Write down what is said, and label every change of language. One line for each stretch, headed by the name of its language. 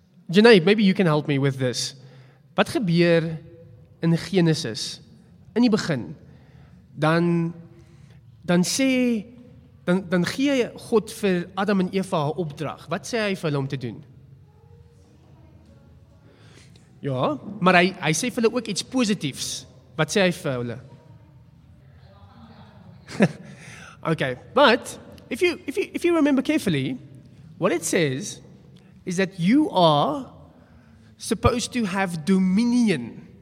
English: Janae, maybe you can help me with this.
Afrikaans: Wat gebeur in Genesis? In die begin, dan gee God vir Adam en Eva 'n opdrag. Wat sê hy vir hulle om te doen? Ja, maar hy sê vir hulle ook iets positiefs. Wat sê hy vir hulle?
English: Okay, but if you remember carefully, what it says is that you are supposed to have dominion.